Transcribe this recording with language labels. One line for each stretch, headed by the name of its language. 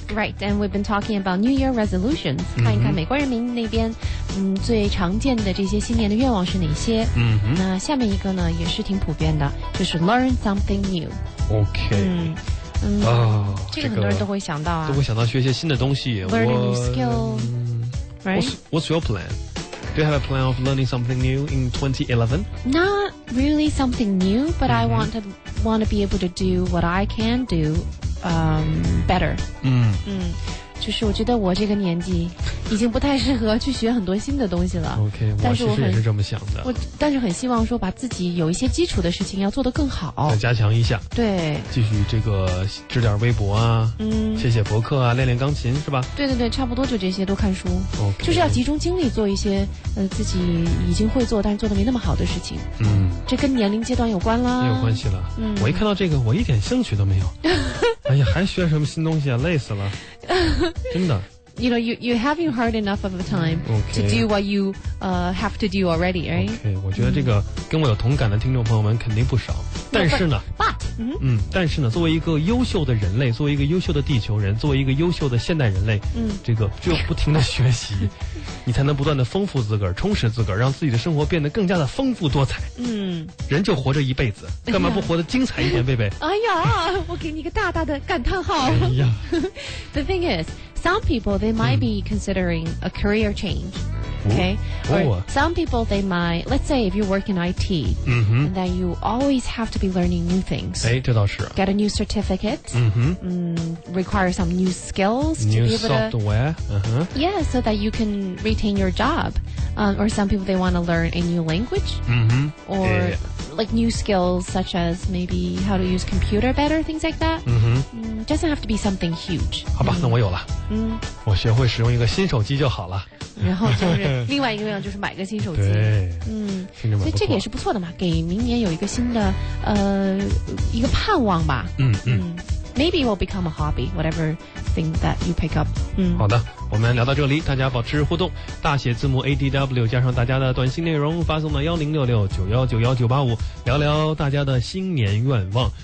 English: Right, and we've been talking about New Year resolutions、mm-hmm.
Chinese: 看一看美国人民那边最常见的这些新年的愿望是哪些、 mm-hmm. 那下面一个呢也是挺普遍的，就是
English: Learn something new. OK、 mm-hmm.
Chinese: 这个很多人都会想到啊，都会想到学些新的东西。
English: Learn a new skill、Right? What's your plan? Do you have a plan of learning something new in 2011? Not really something new, but、mm-hmm. I want to be able to do what I can do、better.
Chinese: 就是我觉得我这个年纪已经不太适合去学很多新的东西了。 OK, 但是 我其实也是这么想的。但是很希望说把自己有一些基础的事情要做得更好。再加强一下。对。继续这个制点微博啊，写写博客啊，练练钢琴是吧？对对对，差不多就这些，多看书。
English: OK。
Chinese: 就是要集中精力做一些自己已经会做但是做得没那么好的事情。嗯。这跟年龄阶段有关啦。有关系了。嗯。我一看到这个我一点兴趣都没有。哎呀，还学什么新东西啊，累死了。真的。
English: You know, you haven't heard enough of the time、 okay. to do what you、have to do already, right?
Chinese: Okay, 我觉得这个跟我有同感的听众朋友们肯定不少。但是呢
English: but,
Chinese: 嗯，但是呢，作为一个优秀的人类，作为一个优秀的地球人，作为一个优秀的现代人类，嗯，这个就不停的学习，你才能不断的丰富自个儿，充实自个儿，让自己的生活变得更加的丰富多彩。嗯，人就活着一辈子，干嘛不活得精彩一点，贝贝？哎呀，我给你一个大大的感叹号。哎呀
English: ，The thing is, some people they might be considering a career change. Okay, or some people they might, let's say if you work in IT, then you always have to be learning new things.
Chinese: 哎，这倒是。
English: Get a new certificate. Require some new skills. New software. Able to, Yeah, so that you can retain your job. Or some people they want to learn a new language. Or like new skills such as maybe how to use computer better, things like that. Doesn't have to be something huge.
Chinese: 好吧，那我有了。我学会使用一个新手机就好了。然后就是另外一个愿望就是买个新手机，对，所以这个也是不错的嘛，给明年有一个新的一个盼望吧。
English: Maybe it will become a hobby, whatever thing that you pick up.
Chinese: 好的，我们聊到这里，大家保持互动，大写字母 ADW 加上大家的短信内容发送到10669191985，聊聊大家的新年愿望。